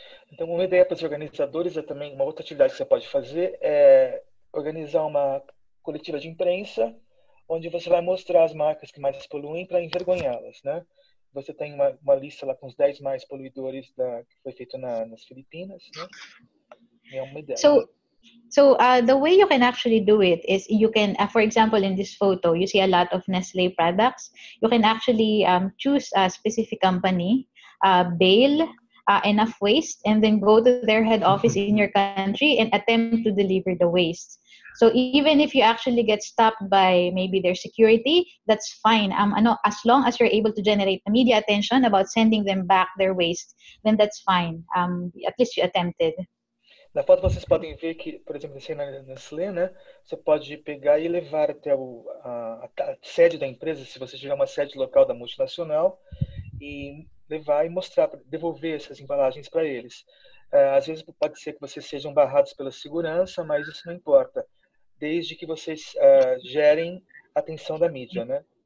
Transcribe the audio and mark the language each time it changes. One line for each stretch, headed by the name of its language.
Portuguese: Então, uma ideia para os organizadores é também uma outra atividade que você pode fazer é organizar uma coletiva de imprensa onde você vai mostrar as marcas que mais poluem para envergonhá-las, né? Você tem uma lista lá com os 10 mais poluidores da que foi feito nas Filipinas, né?
English: So the way you can actually do it is you can, for example, in this photo, you see a lot of Nestle products. You can actually choose a specific company, bale enough waste, and then go to their head office in your country and attempt to deliver the waste. So even if you actually get stopped by maybe their security, that's fine. As long as you're able to generate media attention about sending them back their waste, then that's fine. At least you attempted.
Portuguese: Na foto vocês podem ver que, por exemplo, na Nestlé, né, você pode pegar e levar até a sede da empresa, se você tiver uma sede local da multinacional, e levar e mostrar, devolver essas embalagens para eles. Às vezes pode ser que vocês sejam barrados pela segurança, mas isso não importa, desde que vocês gerem atenção da mídia, né?